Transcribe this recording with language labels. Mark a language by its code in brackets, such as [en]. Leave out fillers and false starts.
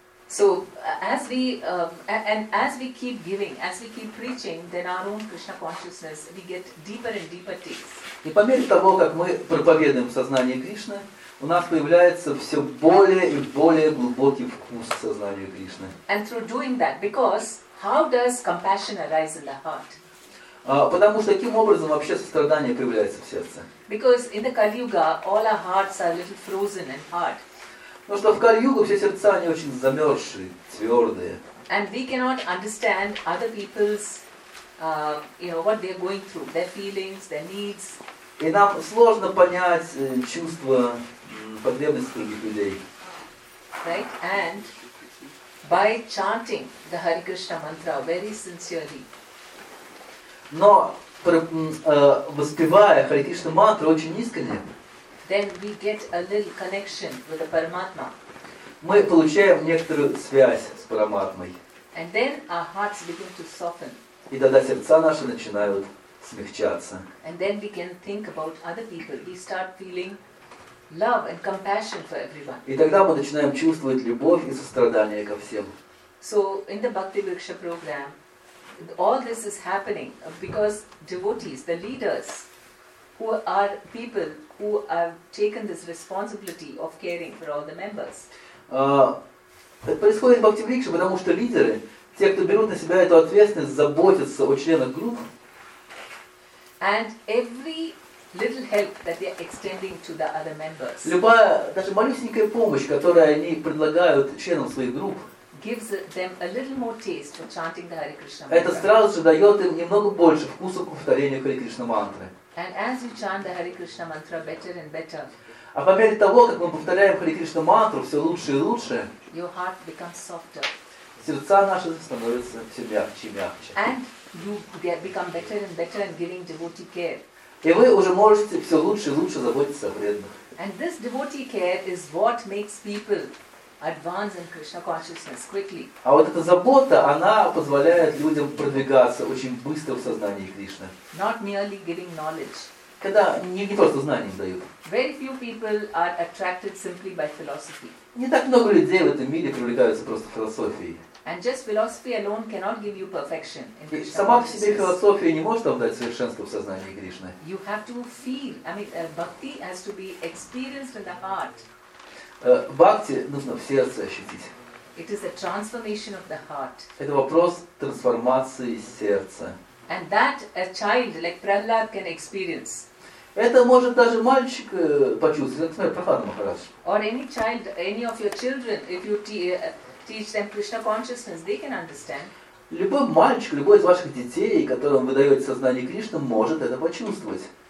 [en] As we keep giving, as we keep preaching, then our own Krishna consciousness, we get deeper and deeper taste. [ru] И по мере того, как мы проповедуем сознание Кришны, у нас появляется все более и более глубокий вкус сознания Кришны. [en] And through doing that, because how does compassion arise in the heart? [ru] Потому что таким образом вообще сострадание появляется в сердце. [en] Because in the Kali Yuga, all our hearts are a little frozen and hard. [ru] Потому что в Кали-Югу все сердца, они очень замерзшие, твердые. [en] And we cannot understand other people's you know, what they're going through, their feelings, their needs. [ru] И нам сложно понять чувства, потребности других людей. [en] Right? And by chanting the Hare Krishna mantra very sincerely. [ru] Но воспевая Hare Krishna mantra очень искренне, [en] then we get a little connection with the Paramatma. [ru] Мы получаем некоторую связь с Параматмой. [en] And then our hearts begin to soften. [ru] И тогда сердца наши начинают смягчаться. [en] And then we can think about other people. We start feeling love and compassion for everyone. [ru] И тогда мы начинаем чувствовать любовь и сострадание ко всем. [en] So in the Bhakti Bhiksha program, all this is happening because devotees, the leaders, who are people who have taken this responsibility of caring for all the members. [ru] Это происходит в Бхакти Брикше, потому что лидеры, те, кто берут на себя эту ответственность, заботятся о членах группы. [en] And every little help that they are extending to the other members. [ru] Любая, даже малюсенькая помощь, которую они предлагают членам своих групп, [en] gives them a little more taste for chanting the Hare Krishna mantra. [ru] Это сразу же дает им немного больше вкуса к повторению Hare Krishna mantra. [en] And as you chant the Hare Krishna mantra better and better. [ru] А по мере того, как мы повторяем Hare Krishna mantra все лучше и лучше, [en] your heart becomes softer. [ru] Сердца наши становятся все мягче и мягче. [en] And you become better and better in giving devotee care. [ru] И вы уже можете все лучше и лучше заботиться о преданных. [en] And this devotee care is what makes people advance in Krishna consciousness quickly. [ru] А вот эта забота, она позволяет людям продвигаться очень быстро в сознании Кришны. [en] Not merely giving knowledge. [ru] Когда не просто знания дают. [en] Very few people are attracted simply by philosophy. [ru] Не так много людей в этом мире привлекаются просто философией. [en] And just philosophy alone cannot give you perfection in Krishna consciousness. [ru] Сама по себе философия не может вам дать совершенство в сознании Кришны. [en] You have to feel. I mean, bhakti has to be experienced in the heart. [ru] Бхакти нужно в сердце ощутить. [en] It is a transformation of the heart. [ru] Это вопрос трансформации сердца. [en] And that a child like Prahlad can experience. [ru] Это может даже мальчик почувствовать. Например, Прахлада Махарадж. [en] Or any child, any of your children, if you teach them Krishna consciousness, they can understand. [ru] Любой мальчик, любой из ваших детей, которым вы даете сознание Кришны, может это почувствовать.